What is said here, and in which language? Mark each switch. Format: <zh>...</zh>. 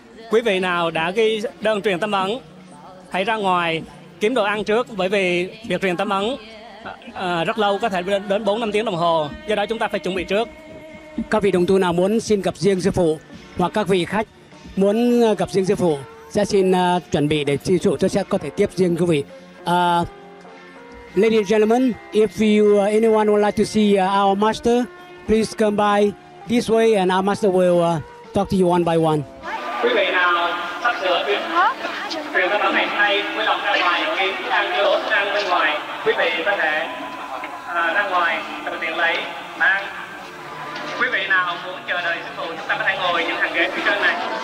<vi>Quý vị nào đã ghi đơn truyền tâm ấn, hãy ra ngoài kiếm đồ ăn trước, bởi vì việc truyền tâm ấn rất lâu, có thể đến 4-5 tiếng đồng hồ, do đó chúng ta phải chuẩn bị trước. Các vị đồng tu nào muốn xin gặp riêng sư phụ, hoặc các vị khách muốn gặp riêng sư phụ, sẽ xin chuẩn bị để sư phụ sẽ có thể tiếp riêng quý vị.</vi> <en>Ladies and gentlemen, if you anyone would like to see our master, please come by this way and our master will talk to you one by one.</en> <vi>Quý vị nào sắp sửa truyền tâm ấn ngày nay, vui lòng ra ngoài kiếm ăn cái lỗ ăn bên ngoài. Quý vị có thể ra ngoài tự tiện lấy mang. Quý vị nào muốn chờ đợi sư phụ, chúng ta có thể ngồi những hàng ghế phía trên này.</vi>